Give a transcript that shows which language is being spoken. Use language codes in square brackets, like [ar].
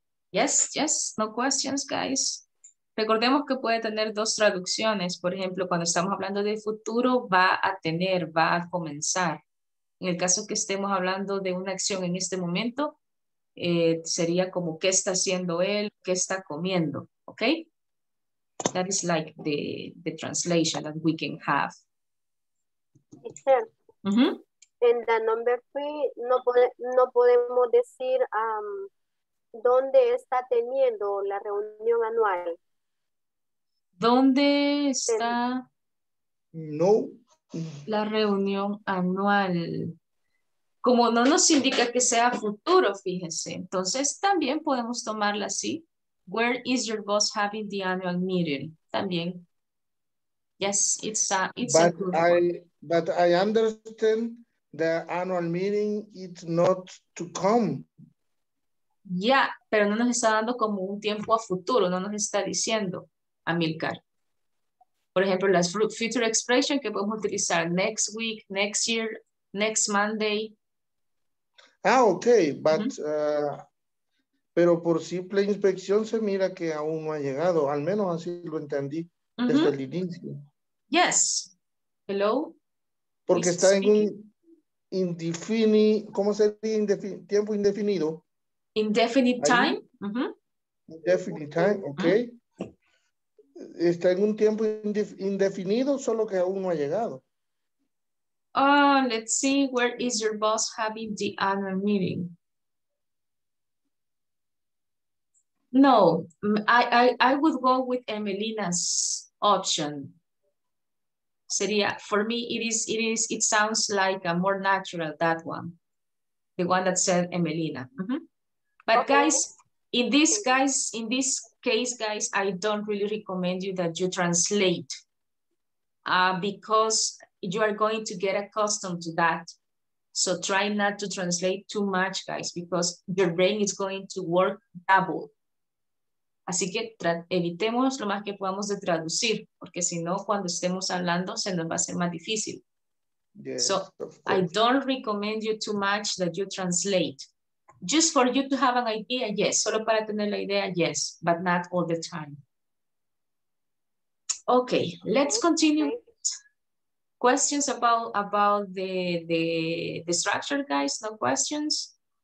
[en] Yes, no questions, guys. [es] Recordemos que puede tener dos traducciones. Por ejemplo, cuando estamos hablando de futuro, va a comenzar. En el caso que estemos hablando de una acción en este momento, sería como, ¿qué está haciendo él? ¿Qué está comiendo? ¿Ok? [en] That is like the translation that we can have. [es] Teacher, en la [en] number three, [es] no podemos decir dónde está teniendo la reunión anual. ¿Dónde está no la reunión anual? como no nos indica que sea futuro, fíjese. Entonces, también podemos tomarla así. [en] Where is your boss having the annual meeting? También. Yes, it's a good one. But I understand the annual meeting is not to come. [es] Yeah, pero no nos está dando como un tiempo a futuro. No nos está diciendo, Amilcar. Por ejemplo, las future expression que podemos utilizar [en] next week, next year, next Monday. [es] Ah, okay, but pero por simple inspección se mira que aún no ha llegado. Al menos así lo entendí desde el inicio. [en] Yes. Hello. [es] Porque está en un indefinido, ¿cómo se dice? Tiempo indefinido. [en] Indefinite time. Indefinite time, okay. [es] Está en un tiempo indefinido, solo que aún no ha llegado. [en] Oh, let's see, where is your boss having the annual meeting? No, I would go with Emelina's option. [es] Sería, [en] for me, it sounds like a more natural, that one. The one that said Emelina. But okay. guys, in this case, I don't really recommend you that you translate because you are going to get accustomed to that. So try not to translate too much, guys, because your brain is going to work double. [es] Así que evitemos lo más que podamos de traducir, porque si no, cuando estemos hablando, se nos va a hacer más difícil. [en] Yes, so I don't recommend you too much that you translate. Just for you to have an idea, yes. [es] Solo para tener la idea, yes, [en] but not all the time. Okay, let's continue. Questions about the structure, guys? No questions?